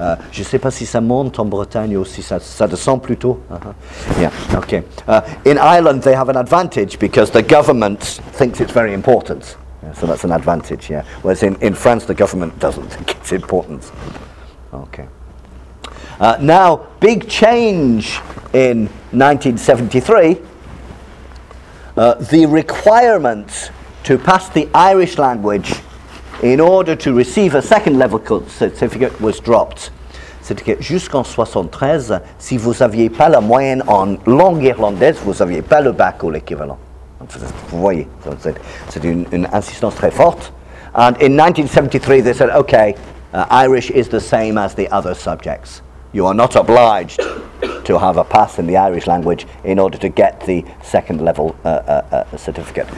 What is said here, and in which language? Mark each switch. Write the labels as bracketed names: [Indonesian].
[French] Je ne sais pas si ça monte en Bretagne ou si ça descend plutôt. [English] Uh-huh. Yeah. Okay. In Ireland, they have an advantage because the government thinks it's very important. Yeah, so that's an advantage. Yeah. Whereas in France, the government doesn't think it's important. Okay. Now, big change in 1973. The requirement to pass the Irish language in order to receive a second level certificate was dropped. [French] C'est-à-dire que jusqu'en 73, si vous n'aviez pas la moyenne en langue irlandaise, vous n'aviez pas le bac ou l'équivalent. Vous voyez, c'est une insistance très forte. [English] And in 1973, they said, okay, Irish is the same as the other subjects. You are not obliged to have a pass in the Irish language in order to get the second level certificate.